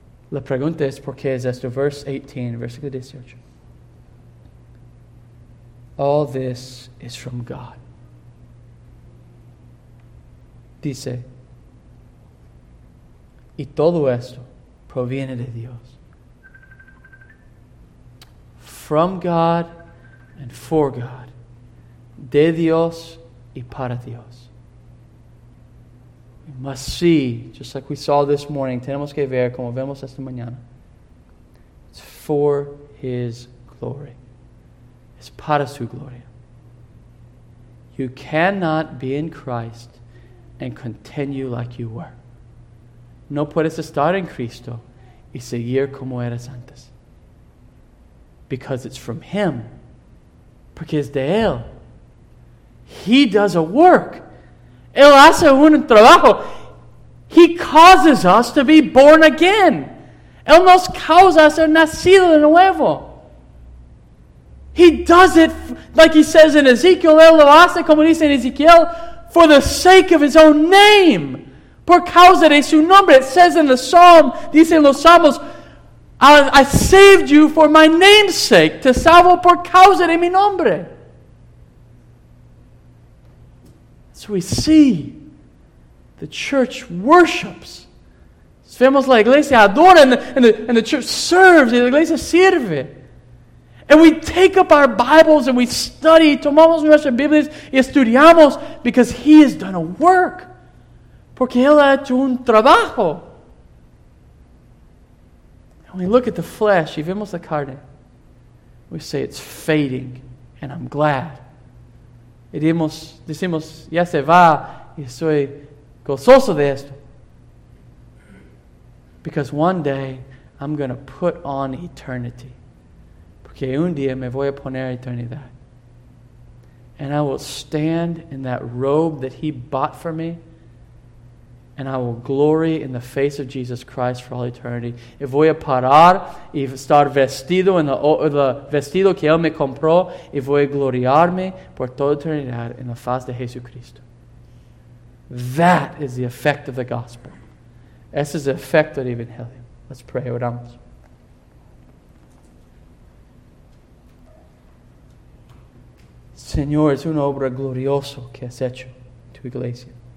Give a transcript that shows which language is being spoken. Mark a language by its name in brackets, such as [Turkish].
[Spanish] La pregunta es, ¿por qué es esto? [English] Verse 18, [Spanish] versículo 18. [English] All this is from God. [Spanish] Dice, y todo esto proviene de Dios. [English] From God and for God. [Spanish] De Dios y para Dios. [English] We must see, just like we saw this morning, [Spanish] tenemos que ver como vemos esta mañana. [English] It's for His glory. [Spanish] Es para su gloria. [English] You cannot be in Christ and continue like you were. [Spanish] No puedes estar en Cristo y seguir como eras antes. [English] Because it's from Him. [Spanish] Porque es de Él. [English] He does a work. [Spanish] Él hace un trabajo. [English] He causes us to be born again. [Spanish] Él nos causa ser nacido de nuevo. [English] He does it like He says in Ezekiel. [Spanish] Él lo hace como dice en Ezekiel. [English] For the sake of His own name. [Spanish] Por causa de su nombre. [English] It says in the psalm, [Spanish] dice en los salmos, [English] I saved you for my name's sake. [Spanish] Te salvo por causa de mi nombre. [English] So we see the church worships. [Spanish] Vemos la iglesia adora [English] and the church serves. [Spanish] Y la iglesia sirve. [English] And we take up our Bibles and we study. [Spanish] Tomamos nuestras Biblias y estudiamos [English] because He has done a work. [Spanish] Porque Él ha hecho un trabajo. [English] And we look at the flesh [Spanish] y vemos la carne. [English] We say it's fading and I'm glad. [Spanish] Y decimos, ya se va y soy gozoso de esto. [English] Because one day I'm going to put on eternity. [Spanish] Que un día me voy a poner eternidad. [English] And I will stand in that robe that He bought for me. And I will glory in the face of Jesus Christ for all eternity. [Spanish] Y voy a parar y estar vestido en el vestido que Él me compró. Y voy a gloriarme por toda eternidad en la faz de Jesucristo. [English] That is the effect of the gospel. [Spanish] Ese es el efecto del evangelio. [English] Let's pray. [Spanish] Oramos. Señor, es una obra gloriosa que has hecho tu iglesia.